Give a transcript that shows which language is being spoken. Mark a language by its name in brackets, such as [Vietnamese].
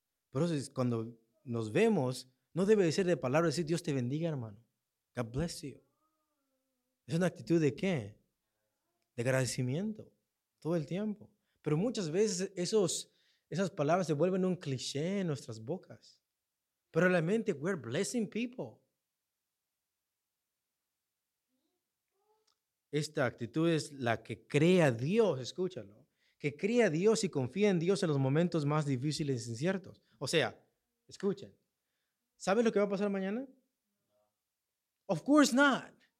[Spanish] Por eso es cuando nos vemos, no debe de ser de palabra decir Dios te bendiga, hermano. [English] God bless you. [Spanish] Es una actitud de ¿qué? De agradecimiento todo el tiempo. Pero muchas veces esas palabras se vuelven un cliché en nuestras bocas. Pero realmente, [English] we're blessing people. [Spanish] Esta actitud es la que crea Dios, escúchalo, que crea Dios y confía en Dios en los momentos más difíciles e inciertos. O sea, escuchen, ¿sabes lo que va a pasar mañana? [English] Of course not.